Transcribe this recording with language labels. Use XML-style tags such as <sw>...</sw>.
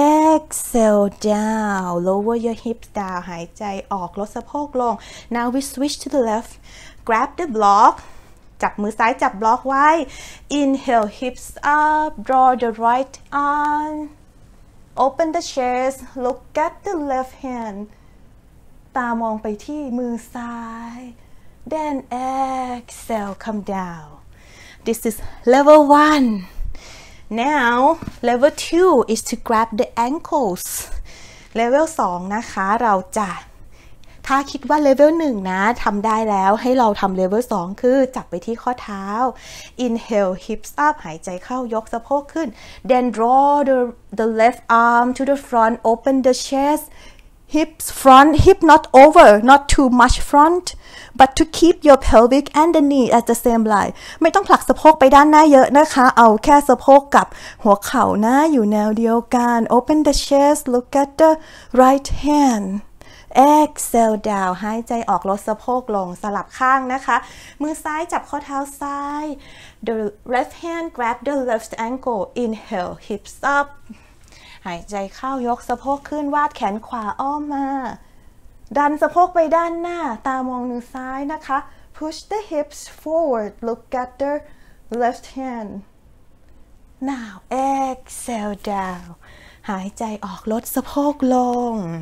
<en>Exhale down lower your hips down</en> <th>หายใจออกลดสะโพกลง</th> <en>Now we switch to the left grab the block</en> <th>จับมือซ้ายจับบล็อกไว้</th> <en>Inhale hips up draw the right arm open the chest look at the left hand</en> <th>ตามองไปที่มือซ้าย</th> <en>Then exhale, come down. This is level one. Now, level two is to grab the ankles.</en> <th>Level สองนะคะเราจะถ้าคิดว่า level หนึ่งนะทำได้แล้วให้เราทำ level สองคือจับไปที่ข้อเท้า</th> <en>Inhale, hips up,</en> <th>หายใจเข้ายกสะโพกขึ้น</th> <en>Then draw the left arm to the front, open the chest. Hips front, hip not over, not too much front, but to keep your pelvic and the knee at the same line.</en> <th>ไม่ต้องผลักสะโพกไปด้านหน้าเยอะนะคะเอาแค่สะโพกกับหัวเข่านะอยู่แนวเดียวกัน</th> <en>Open the chest, look at the right hand. Exhale down,</en> <th>หายใจออกลดสะโพกลงสลับข้างนะคะมือซ้ายจับข้อเท้าซ้าย</th> <en>The left hand grab the left ankle. Inhale, hips up.</en> <th>หายใจเข้ายกสะโพกขึ้นวาดแขนขวาอ้อมมาดันสะโพกไปด้านหน้าตามองมือซ้ายนะคะ</th> <en>push the hips forward look at the left hand now exhale down</en> <th>หายใจออกลดสะโพกลง</th>